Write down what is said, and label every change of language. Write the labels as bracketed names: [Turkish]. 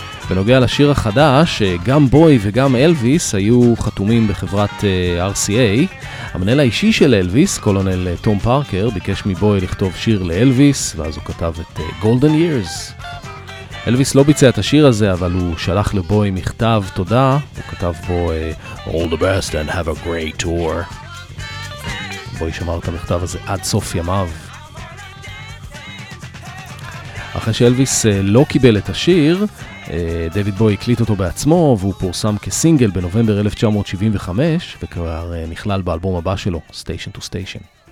[Hebrew] בנוגע לשיר החדש, גם בוי וגם אלוויס היו חתומים בחברת RCA. המנהל האישי של אלוויס, קולונל טום פארקר, ביקש מבוי לכתוב שיר לאלוויס, ואז הוא כתב את Golden Years. אלוויס לא ביצע את השיר הזה, אבל הוא שלח לבוי מכתב תודה. הוא כתב בו [English] All the best and have a great tour. [Hebrew] בוי שמר את המכתב הזה עד סוף ימיו. אחרי שאלוויס לא קיבל את השיר, דויד בוי הקליט אותו בעצמו, והוא פורסם כסינגל בנובמבר 1975, וכבר נכלל באלבום הבא שלו, Station to Station.